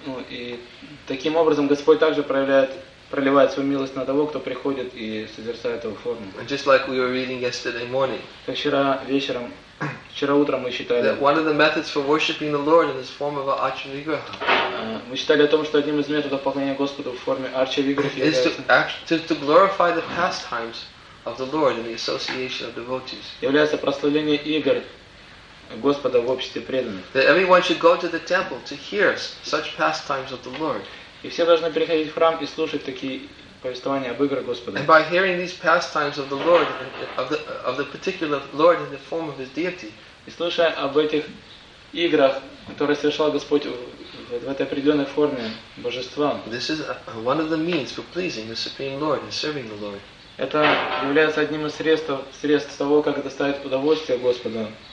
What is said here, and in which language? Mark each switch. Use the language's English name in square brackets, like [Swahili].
[Russian] И таким образом Господь также проливает свою милость на того, кто приходит и созерцает его форму. [English] And just like we were reading yesterday morning, [Russian] как вчера утром мы читали, [English] that one of the methods for worshiping the Lord in this form of Archivigraha. [Russian] Мы читали о том, что одним из методов поклонения Господу в форме Archivigraha [English] to glorify the pastimes of the Lord in the association of devotees. [Russian] Является прославление игр Господа в обществе преданных. [English] That everyone should go to the temple to hear such pastimes of the Lord. [Russian] И все должны приходить в храм и слушать такие повествования об играх Господа. [English] And by hearing these pastimes of the Lord, of the particular Lord in the form of His deity. [Russian] И слушая об этих играх, которые совершал Господь в этой определенной форме божества. [English] This is one of the means for pleasing the Supreme Lord and serving the Lord. [Russian] Это является одним из средств того, как доставить удовольствие Господу.